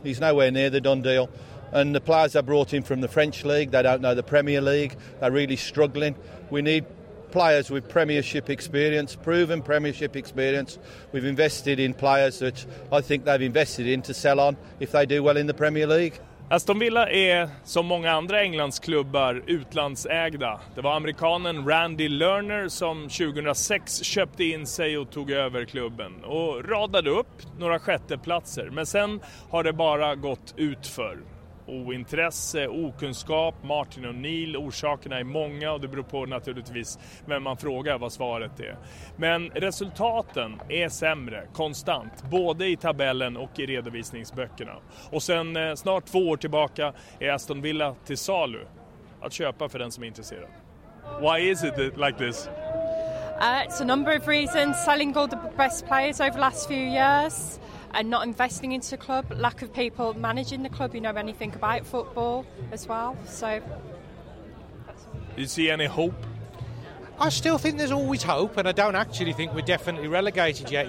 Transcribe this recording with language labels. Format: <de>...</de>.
<en>He's nowhere near the done deal. And the players are brought in from the French League. They don't know the Premier League. They're really struggling. We need players with Premiership experience, proven Premiership experience. We've invested in players that I think they've invested in to sell on if they do well in the Premier League.</en> <sv>Aston Villa är, som många andra Englands klubbar, utlandsägda. Det var amerikanen Randy Lerner som 2006 köpte in sig och tog över klubben och radade upp några sjätteplatser. Men sen har det bara gått utför. Ointresse, okunskap, Martin O'Neill, orsakerna är många och det beror på naturligtvis vem man frågar vad svaret är. Men resultaten är sämre, konstant, både i tabellen och i redovisningsböckerna. Och sen snart 2 år tillbaka är Aston Villa till salu, att köpa för den som är intresserad.</sv> <en>Why is it like this? It's a number of reasons, selling all the best players over the last few years. And not investing into the club, lack of people managing the club, you know anything about football as well. So, you see any hope? I still think there's always hope, and I don't actually think we're definitely relegated yet.</en>